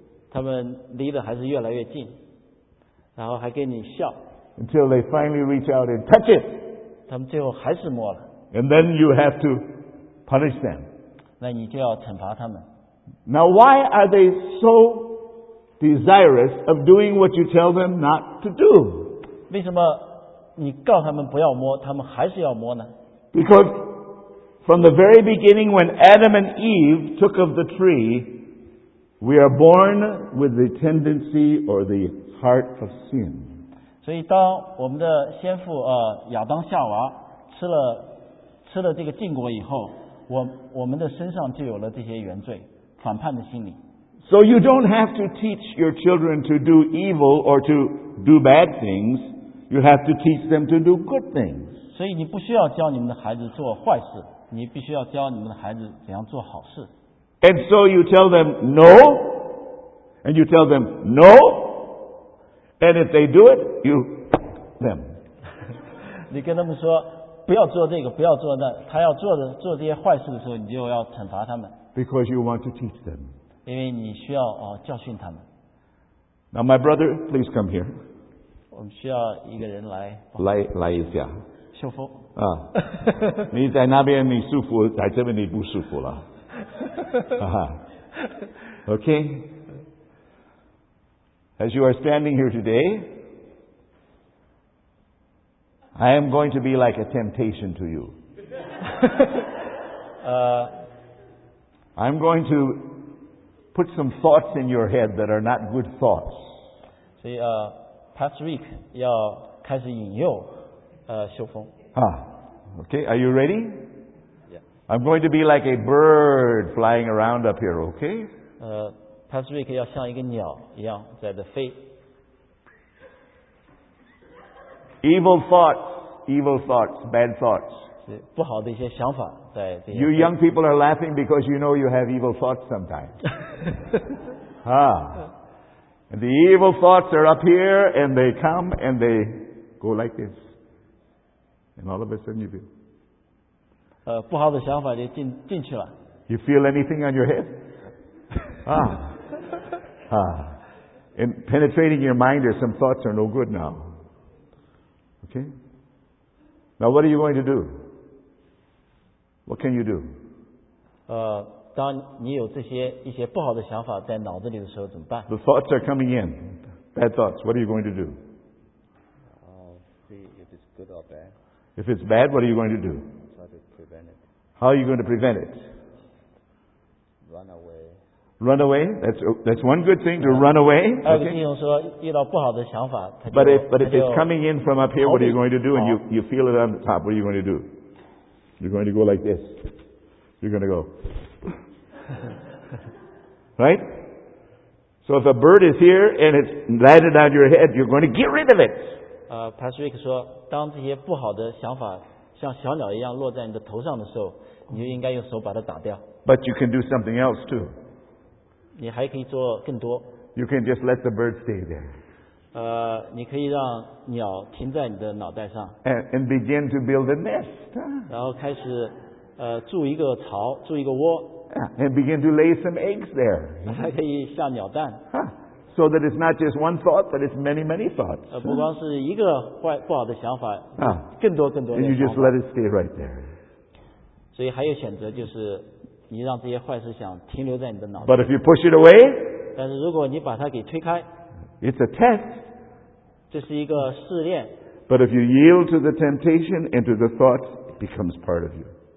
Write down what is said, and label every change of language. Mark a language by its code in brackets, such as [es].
[zh] 他们离得还是越来越近。然后还跟你笑。 [en] Until they finally reach out and touch it. [zh] 他们最后还是摸了。 [en] And then you have to punish them. [zh] 那你就要惩罚他们。 [en] Now why are they so desirous of doing what you tell them not to do? [zh] 为什么你告他们不要摸，他们还是要摸呢？ [en] Because from the very beginning when Adam and Eve took of the tree, we are born with the tendency or the heart of sin. [zh] 所以当我们的先父亚当夏娃吃了这个禁果以后，我们的身上就有了这些原罪，反叛的心理。 [en] So you don't have to teach your children to do evil or to do bad things. You have to teach them to do good things. [zh] 所以你不需要教你们的孩子做坏事，你必须要教你们的孩子怎样做好事。 [en] And so you tell them no, and you tell them no, and if they do it, you them. [zh] 你跟他们说不要做这个，不要做那，他要做这些坏事的时候，你就要惩罚他们。 [en] Because you want to teach them. [zh] 因为你需要教训他们。 [en] Now my brother, please come here. [zh] 我们需要一个人来。来一下。秀峰。啊，你在那边你舒服，在这边你不舒服了。 [en] Okay. As you are standing here today, I am going to be like a temptation to you. I'm going to put some thoughts in your head that are not good thoughts. [zh] So, Pastor Rick 要开始引诱秀峰。 [en] Okay, are you ready? Yeah. I'm going to be like a bird flying around up here, okay? [zh] Pastor Rick 要像一个鸟一样在这飞。 [en] Evil thoughts, bad thoughts. [zh] 是不好的一些想法在这些。 [en] You young people are laughing because you know you have evil thoughts sometimes. And the evil thoughts are up here and they come and they go like this. And all of a sudden you feel. [zh] 不好的想法就进去了。 [en] You feel anything on your head? And penetrating your mind or some thoughts are no good now. Okay? Now what are you going to do? What can you do? [zh] 当你有这些一些不好的想法在脑子里的时候怎么办？ [en] The thoughts are coming in. Bad thoughts. What are you going to do? See if it's good or bad. If it's bad, what are you going to do? Try to prevent it. How are you going to prevent it? Run away? That's one good thing, to run away. But if it's coming in from up here, what are you going to do? And you feel it on the top, what are you going to do? You're going to go like this. You're going to go. Right? So if a bird is here and it's landed on your head, you're going to get rid of it. [zh] Pastor Rick 说当这些不好的想法像小鸟一样落在你的头上的时候，你就应该用手把它打掉。 [en] But you can do something else too. [zh] 你还可以做更多。 [en] You can just let the bird stay there. [zh] 你可以让鸟停在你的脑袋上。 [en] And begin to build a nest. [zh] 然后开始筑一个巢，筑一个窝。 [en] And begin to lay some eggs there. [zh] 还可以下鸟蛋。 [en] So that it's not just one thought, but it's many, many thoughts. [zh] 不光是一个不好的想法，更多更多的。 [en] And you just let it stay right there. [zh] 所以还有选择就是。你让这些坏事想停留在你的脑子。 [en] But if you push it away, [zh] 但是如果你把它给推开， [en] it's a test. [zh] 这是一个试炼。 [en] But if you yield to the temptation and to the thoughts, it becomes part of you.